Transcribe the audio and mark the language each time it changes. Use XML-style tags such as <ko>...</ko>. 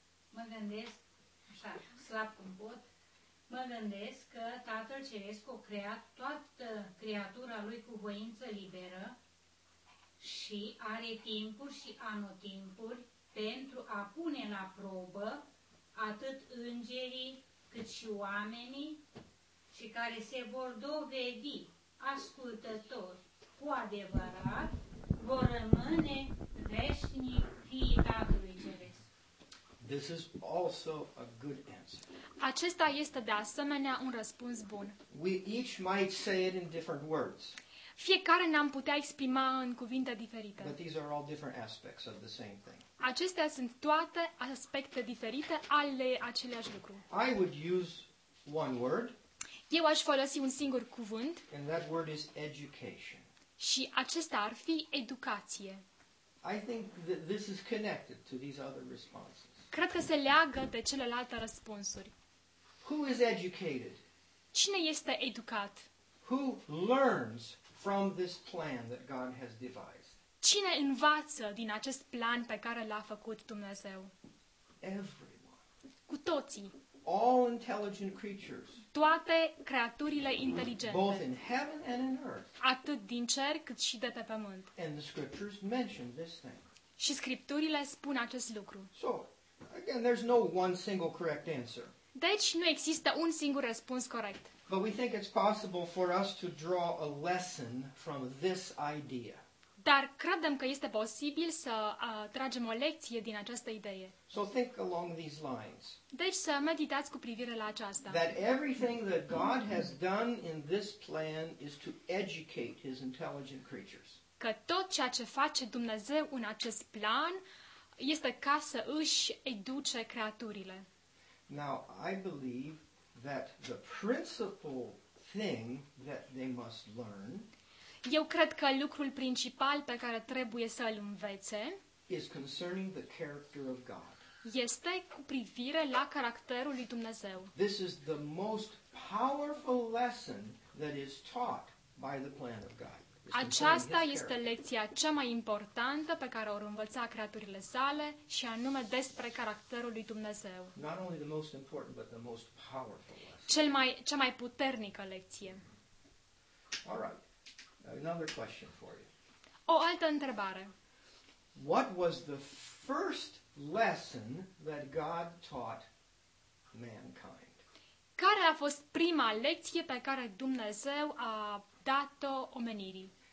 <ro>Mă gândesc, așa, slab cum pot, mă gândesc că Tatăl Ceresc a creat toată creatura lui cu voință liberă și are timpuri și anotimpuri pentru a pune la probă atât îngerii cât și oamenii și care se vor dovedi ascultători cu adevărat, vor rămâne veșnic fiii Tatălui Ceresc.</ro> <en>This is also a good answer.</en> <ro>Acesta este de asemenea un răspuns bun.</ro> <en>We each might say it in different words.</en> <ro>Fiecare ne-am putea exprima în cuvinte diferite.</ro> <en>But these are all different aspects of the same thing.</en> <ro>Acestea sunt toate aspecte diferite ale aceleași lucru.</ro> <en>I would use one word.</en> <ro>Eu aș folosi un singur cuvânt.</ro> <en>And that word is education.</en> <ro>Și acesta ar fi educație.</ro> <en>I think that this is connected to these other responses.</en> <ro>Cred că se leagă de celelalte răspunsuri.</ro> <en>Who is educated?</en> <ro>Cine este educat?</ro> <en>Who learns from this plan that God has devised?</en> <ro>Cine învață din acest plan pe care l-a făcut Dumnezeu?</ro> <en>Everyone.</en> <ro>Cu toții.</ro> <en>All intelligent creatures.</en> <ro>Toate creaturile inteligente.</ro> <en>Both in heaven and in earth.</en> <ro>Atât din cer cât și de pe pământ.</ro> <en>And the scriptures mention this thing.</en> <ro>Și scripturile spun acest lucru.</ro> <en>So, again, there's no one single correct answer.</en> <ro>Deci nu există un singur răspuns corect.</ro> <en>But we think it's possible for us to draw a lesson from this idea.</en> <ro>Dar credem că este posibil să tragem o lecție din această idee.</ro> <en>So think along these lines.</en> <ro>Deci să meditați cu privire la aceasta.</ro> <en>That everything that God has done in this plan is to educate his intelligent creatures.</en> <ro>Că tot ceea ce face Dumnezeu în acest plan este ca să își educe creaturile.</ro> <en>Now, I believe that the principal thing that they must learn,</en> <ro>eu cred că lucrul principal pe care trebuie să îl învețe,</ro> <en>is concerning the character of God.</en> <ro>Este cu privire la caracterul lui Dumnezeu.</ro> <en>This is the most powerful lesson that is taught by the plan of God.</en> <ro>Aceasta este lecția cea mai importantă pe care o învăța creaturile sale și anume despre caracterul lui Dumnezeu.</ro> <en>Not only the most important, but the most powerful.</en> <ro>Cea mai puternică lecție.</ro> <en>All right. Another question for you.</en> <ro>O altă întrebare.</ro> <en>What was the first lesson that God taught mankind?</en> <ro>Care a fost prima lecție pe care Dumnezeu a dat-o omenirii?</ro>